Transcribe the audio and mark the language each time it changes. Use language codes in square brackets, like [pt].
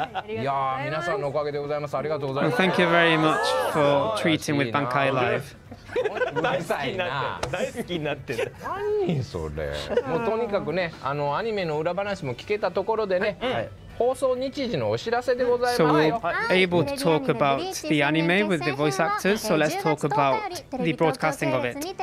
[ja] いやー、皆さんのおかげでございます。ありがとうございます。 [en] Thank you very much for treating with Bankai Live. [ja] 大好きになってる。大好きになってる。何それ。もうとにかくね、あのアニメの裏話も聞けたところでね。放送日時のお知らせでございます。 [en] So we're able to talk about the anime with the voice actors, so let's talk about the broadcasting of it.